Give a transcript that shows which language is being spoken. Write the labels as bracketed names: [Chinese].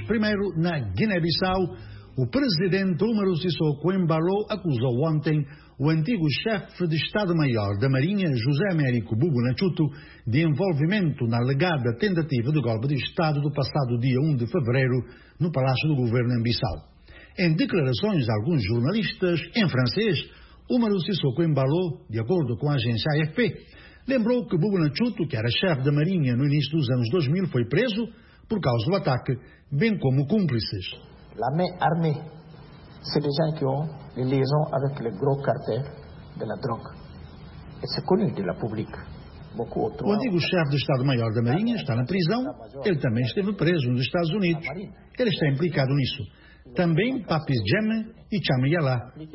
[Portuguese] Primeiro, na Guiné-Bissau, o presidente Umaro Sissoko Embalo acusou ontem o antigo chefe de Estado-Maior da Marinha, José Américo Bubu Natchutu, de envolvimento na alegada tentativa de golpe de Estado do passado dia 1 de fevereiro no Palácio do Governo em Bissau. Em declarações a alguns jornalistas, em francês, Umaro Sissoko Embalo, de acordo com a agência AFP, lembrou que Bubu Natchutu, que era chefe da Marinha no início dos anos 2000, foi preso por causa do ataque, bem como cúmplices. [French] La main armée, c'est des gens qui ont les liaisons avec les gros cartels de la drogue. Et c'est connu de la publique. [Portuguese] O antigo chefe de Estado-Maior da Marinha está na prisão. Ele também esteve preso nos Estados Unidos. Ele está implicado nisso. Também Papi Djeme e Tchame Yala.